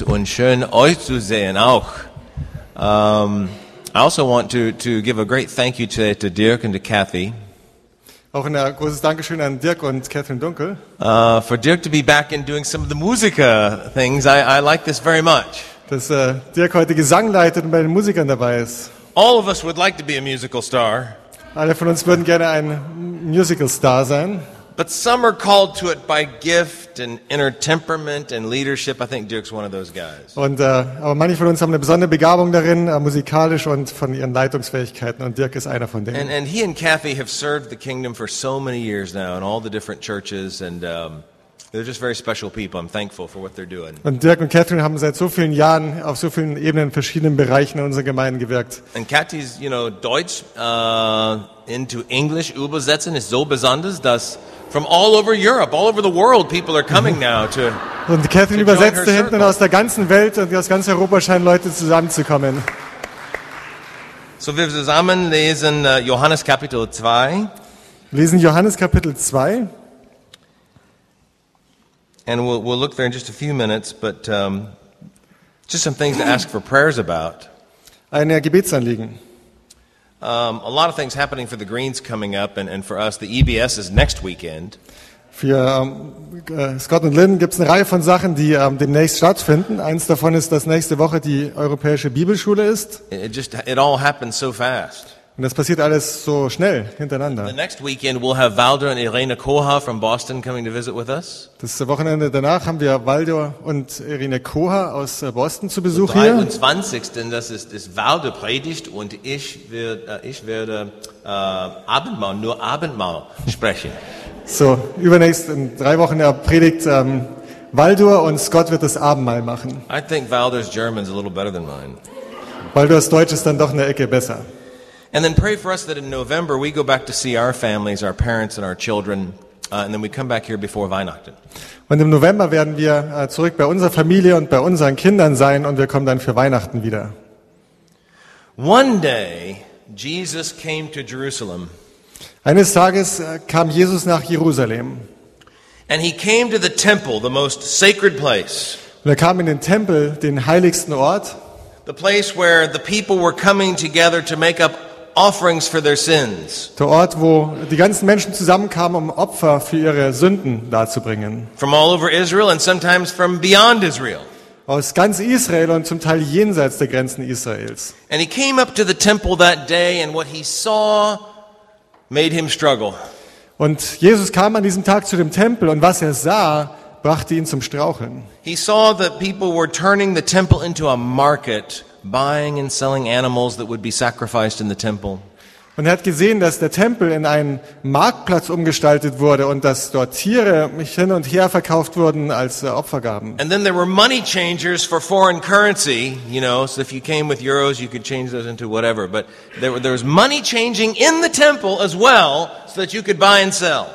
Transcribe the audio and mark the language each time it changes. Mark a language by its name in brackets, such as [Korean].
[German] Und schön euch zu sehen auch. [English] I also want to give a great thank you today to Dirk and to Kathy. [German] Auch ein großes Dankeschön an Dirk und Catherine Dunkel. [English] For Dirk to be back and doing some of the Musiker things, I like this very much. [German] Dass Dirk heute Gesang leitet und bei den Musikern dabei ist. [English] All of us would like to be a musical star. [German] Alle von uns würden gerne ein Musical Star sein. [English] But some are called to it by gift and inner temperament and leadership. I think Dirk's one of those guys. [German] Und aber manche von uns haben eine besondere Begabung darin, musikalisch und von ihren Leitungsfähigkeiten. Und Dirk ist einer von denen. [English] And he and Kathy have served the kingdom for so many years now in all the different churches, and they're just very special people. I'm thankful for what they're doing. [German] Und Dirk und Catherine haben seit so vielen Jahren auf so vielen Ebenen in verschiedenen Bereichen in unserer Gemeinde gewirkt. [English] And Kathy's, you know, Deutsch into English [German] übersetzen ist so besonders, dass [English] from all over Europe, all over the world, people are coming now to. [German] Und Catherine übersetzte hinten aus der ganzen Welt und aus ganz Europa scheinen Leute zusammenzukommen. So wir zusammen lesen Johannes Kapitel 2. Lesen Johannes Kapitel 2. [English] And we'll look there in just a few minutes, but just some things to ask for prayers about. [German] Ein Gebetsanliegen. [English] A lot of things happening for the Greens coming up, and for us, the EBS is next weekend. [German] Für Scott und Lynn gibt's eine Reihe von Sachen, die demnächst stattfinden. Eins davon ist, dass nächste Woche die Europäische Bibelschule ist. [English] It all happens so fast. [German] Und das passiert alles so schnell hintereinander. [English] The next weekend we'll have Valdo and Irina Koha from Boston coming to visit with us. [German] Das Wochenende danach haben wir Valdo und Irina Koha aus Boston zu Besuch hier. Am 23. das ist Valdo predigt und ich werde Abendmahl, nur Abendmahl sprechen. So, übernächst in drei Wochen predigt Valdo und Scott wird das Abendmahl machen. [English] I think Valdo's German is a little better than mine. [German] Valdos Deutsch ist dann doch eine Ecke besser. [English] And then pray for us that in November we go back to see our families, our parents and our children, and then we come back here before Weihnachten. [German] Und im November werden wir zurück bei unserer Familie und bei unseren Kindern sein und wir kommen dann für Weihnachten wieder. [English] One day Jesus came to Jerusalem. [German] Eines Tages kam Jesus nach Jerusalem. [English] And he came to the temple, the most sacred place. [German] Und er kam in den Tempel, den heiligsten Ort. [English] The place where the people were coming together to make up offerings for their sins. [German] Der Ort, wo die ganzen Menschen zusammenkamen, um Opfer für ihre Sünden darzubringen. [English] From all over Israel and sometimes from beyond Israel. [German] Aus ganz Israel und zum Teil jenseits der Grenzen Israels. [English] And he came up to the temple that day and what he saw made him struggle. [German] Und Jesus kam an diesem Tag zu dem Tempel und was er sah, brachte ihn zum Straucheln. [English] He saw that people were turning the temple into a market. Buying and selling animals that would be sacrificed in the temple. [German] Und er hat gesehen, dass der Tempel in einen Marktplatz umgestaltet wurde und dass dort Tiere hin und her verkauft wurden als Opfergaben. [English] And then there were money changers for foreign currency, you know, so if you came with euros, you could change those into whatever. But there was money changing in the temple as well, so that you could buy and sell.